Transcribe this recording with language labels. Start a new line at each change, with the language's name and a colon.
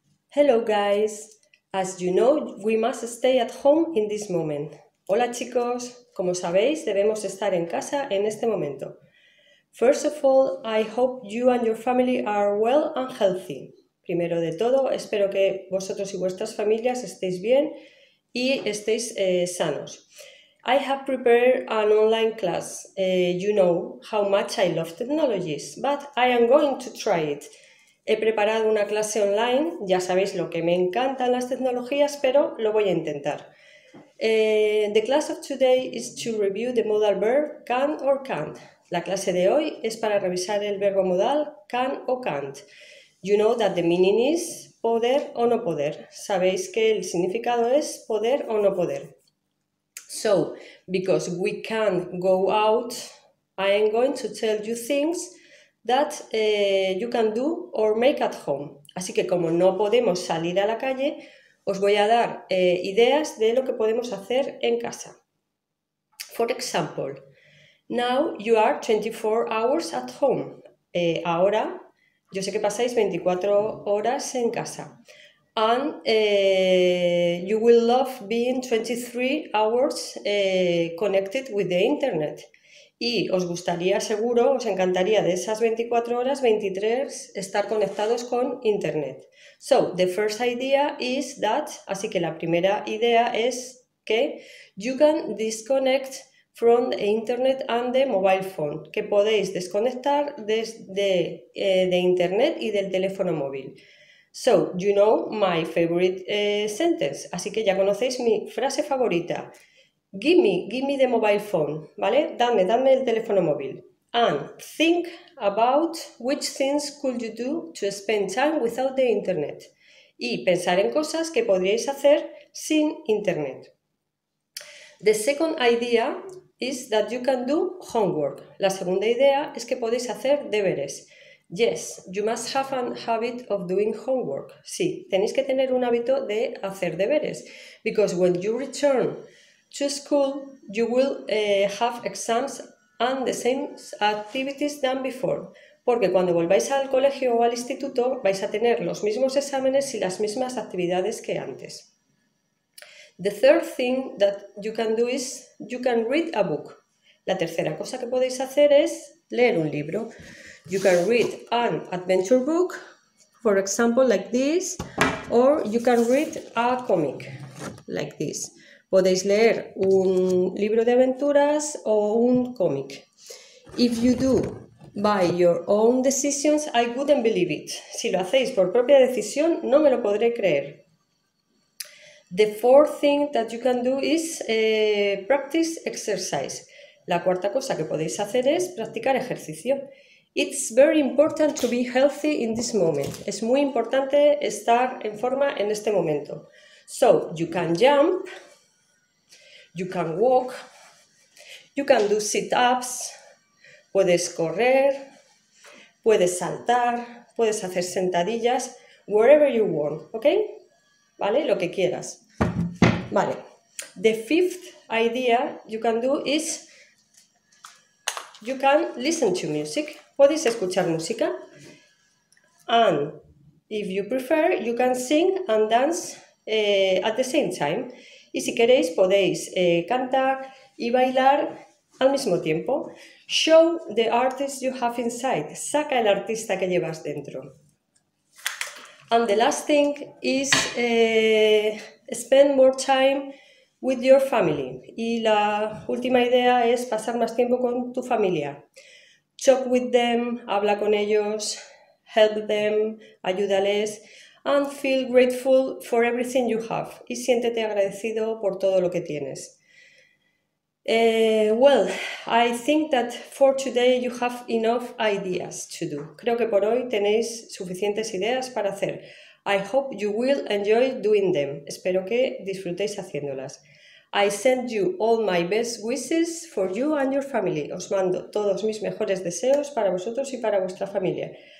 English: Hello guys, as you know, we must stay at home in this moment.
Spanish: Hola chicos, como sabéis, debemos estar en casa en este momento.
English: First of all, I hope you and your family are well and healthy.
Spanish: Primero de todo, espero que vosotros y vuestras familias estéis bien y estéis sanos.
English: I have prepared an online class. You know how much I love technologies, but I am going to try it.
Spanish: He preparado una clase online, ya sabéis lo que me encantan las tecnologías, pero lo voy a intentar.
English: The class of today is to review the modal verb can or can't.
Spanish: La clase de hoy es para revisar el verbo modal can o can't.
English: You know that the meaning is
Spanish: poder o no poder. Sabéis que el significado es poder o no poder.
English: So, because we can't go out, I am going to tell you things that you can do or make at home.
Spanish: Así que como no podemos salir a la calle, os voy a dar ideas de lo que podemos hacer en casa.
English: For example, now you are 24 hours at home.
Spanish: Ahora, yo sé que pasáis 24 horas en casa.
English: And you will love being 23 hours connected with the internet.
Spanish: Y os gustaría, seguro, os encantaría de esas 24 horas, 23, estar conectados con internet.
English: So, the first idea is that,
Spanish: así que la primera idea es que
English: you can disconnect from the internet and the mobile phone,
Spanish: que podéis desconectar desde de internet y del teléfono móvil.
English: So, you know my favorite sentence,
Spanish: así que ya conocéis mi frase favorita.
English: Give me the mobile phone,
Spanish: ¿vale? Dame el teléfono móvil.
English: And think about which things could you do to spend time without the internet.
Spanish: Y pensar en cosas que podríais hacer sin internet.
English: The second idea is that you can do homework.
Spanish: La segunda idea es que podéis hacer deberes.
English: Yes, you must have a habit of doing homework.
Spanish: Sí, tenéis que tener un hábito de hacer deberes.
English: Because when you return to school, you will have exams and the same activities than before.
Spanish: Porque cuando volváis al colegio o al instituto, vais a tener los mismos exámenes y las mismas actividades que antes.
English: The third thing that you can do is you can read a book.
Spanish: La tercera cosa que podéis hacer es leer un libro.
English: You can read an adventure book, for example, like this, or you can read a comic, like this.
Spanish: Podéis leer un libro de aventuras o un cómic.
English: If you do by your own decisions, I wouldn't believe it.
Spanish: Si lo hacéis por propia decisión, no me lo podré creer.
English: The fourth thing that you can do is practice exercise.
Spanish: La cuarta cosa que podéis hacer es practicar ejercicio.
English: It's very important to be healthy in this moment.
Spanish: Es muy importante estar en forma en este momento.
English: So, you can jump. You can walk, you can do sit-ups,
Spanish: puedes correr, puedes saltar, puedes hacer sentadillas,
English: wherever you want, ¿ok?
Spanish: ¿Vale? Lo que quieras. Vale.
English: The fifth idea you can do is you can listen to music.
Spanish: Podéis escuchar música.
English: And if you prefer, you can sing and dance at the same time.
Spanish: Y si queréis, podéis cantar y bailar al mismo tiempo.
English: Show the artist you have inside.
Spanish: Saca el artista que llevas dentro.
English: And the last thing is spend more time with your family.
Spanish: Y la última idea es pasar más tiempo con tu familia.
English: Talk with them,
Spanish: habla con ellos,
English: help them,
Spanish: ayúdales.
English: And feel grateful for everything you have.
Spanish: Y siéntete agradecido por todo lo que tienes.
English: Well, I think that for today you have enough ideas to do.
Spanish: Creo que por hoy tenéis suficientes ideas para hacer.
English: I hope you will enjoy doing them.
Spanish: Espero que disfrutéis haciéndolas.
English: I send you all my best wishes for you and your family.
Spanish: Os mando todos mis mejores deseos para vosotros y para vuestra familia.